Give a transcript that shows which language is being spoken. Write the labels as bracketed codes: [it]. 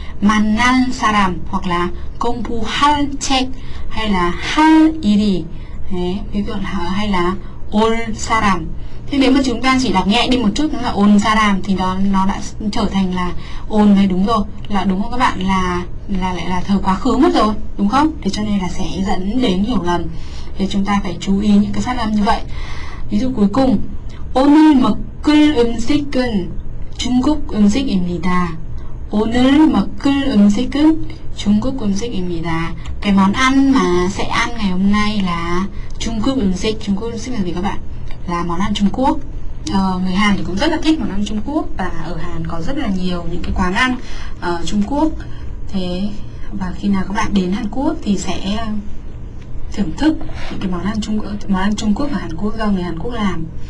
[ko] Man nan saram [vi] hoặc là [ko] công pu hal chek [vi] hay là [ko] hal iri đấy, ví dụ là hay là ol saram. [vi] Thế nếu mà chúng ta chỉ đọc nhẹ đi một chút nữa là ol saram thì nó đã trở thành là ol mới đúng rồi, là đúng không các bạn, là lại là thời quá khứ mất rồi đúng không? Thế cho nên là sẽ dẫn đến hiểu lầm. Thì chúng ta phải chú ý những cái phát âm như vậy. Ví dụ cuối cùng, [ko] 오늘 먹을 음식은 중국 음식입니다. 오늘 먹을 음식은 중국 음식입니다. [vi] Cái món ăn mà sẽ ăn ngày hôm nay là Trung Quốc ừng xích. Trung Quốc ừng xích là gì các bạn? Là món ăn Trung Quốc. Người Hàn thì cũng rất là thích món ăn Trung Quốc và ở Hàn có rất là nhiều những cái quán ăn Trung Quốc. Thế và khi nào các bạn đến Hàn Quốc thì sẽ thưởng thức những cái món ăn Trung Quốc và Hàn Quốc do người Hàn Quốc làm.